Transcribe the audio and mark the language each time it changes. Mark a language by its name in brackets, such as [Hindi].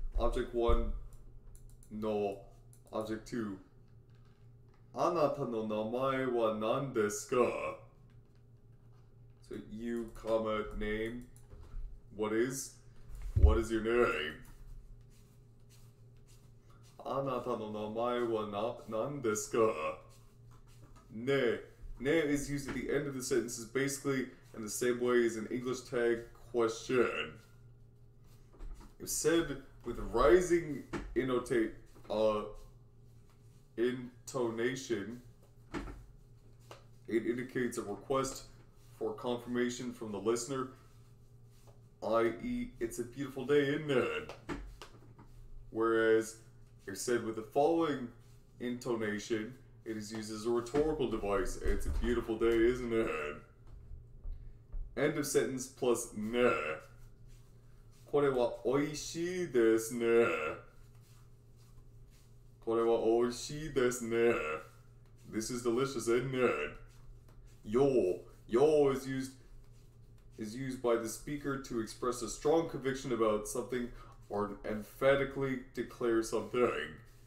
[English] Object 1, no. Object 2, [Japanese] あなたの名前は何ですか? [English] So you, comma, name, what is your name? [Japanese] あなたの名前は何ですか? ね。 [English] ね is used at the end of the sentence is basically in the same way as an English tag question. If said with rising intonation, it indicates a request for confirmation from the listener, i.e. it's a beautiful day, isn't it? Whereas,If said with the following intonation, it is used as a rhetorical device. It's a beautiful day, isn't it? End of sentence plus ne. [Japanese] これはおいしいですね。これはおいしいですね。 [English] This is delicious, isn't it? Yo. Yo is used by the speaker to express a strong conviction about something. Or emphatically declare something.